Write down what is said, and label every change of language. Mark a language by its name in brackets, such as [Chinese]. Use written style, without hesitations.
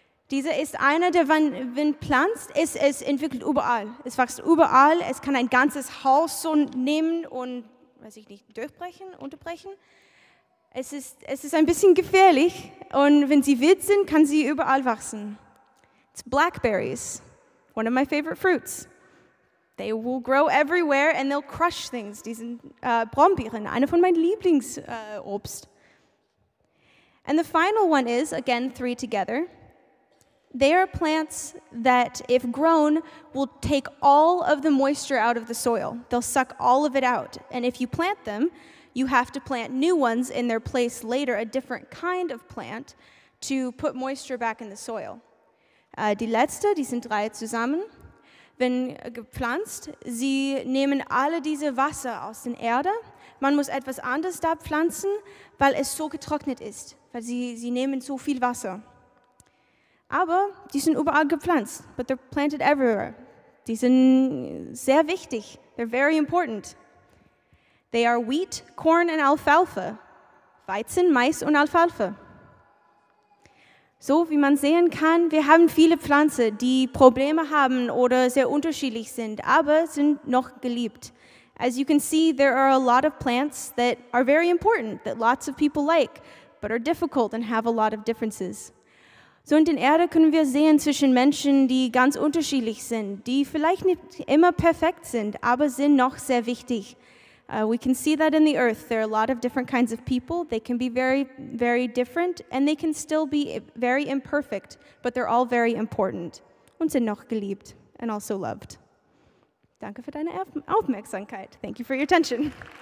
[German] Diese ist einer, der, wenn pflanzt, es entwickelt überall. Es wächst überall. Es kann ein ganzes Haus so nehmen und, weiß ich nicht, unterbrechen. Es ist ein bisschen gefährlich. Und wenn sie wild sind, kann sie überall wachsen. [English] It's blackberries, one of my favorite fruits. They will grow everywhere and they'll crush things. [German] Die sind Brombeeren, eine von meinen Lieblingsobst. [English] And the final one is, again, three together. They are plants that, if grown, will take all of the moisture out of the soil. They'll suck all of it out. And if you plant them, you have to plant new ones in their place later, a different kind of plant, to put moisture back in the soil. [German] Die letzte, die sind drei zusammen. Wenn gepflanzt, sie nehmen alle diese Wasser aus der Erde. Man muss etwas anders da pflanzen, weil es so getrocknet ist. Weil sie nehmen so viel Wasser. Aber die sind überall gepflanzt, [English] but they're planted everywhere. [German] Die sind sehr wichtig. [English] They're very important. They are wheat, corn and alfalfa. [German] Weizen, Mais und Alfalfa. So wie man sehen kann, wir haben viele Pflanzen, die Probleme haben oder sehr unterschiedlich sind, aber sind noch geliebt. [English] As you can see, there are a lot of plants that are very important, that lots of people like, but are difficult and have a lot of differences. [German] So in der Erde können wir sehen zwischen Menschen, die ganz unterschiedlich sind, die vielleicht nicht immer perfekt sind, aber sind noch sehr wichtig. [English] We can see that in the earth. There are a lot of different kinds of people. They can be very, very different, and they can still be very imperfect, but they're all very important. [German] Und sind noch geliebt [English] and also loved. [German] Danke für deine Aufmerksamkeit. [English] Thank you for your attention.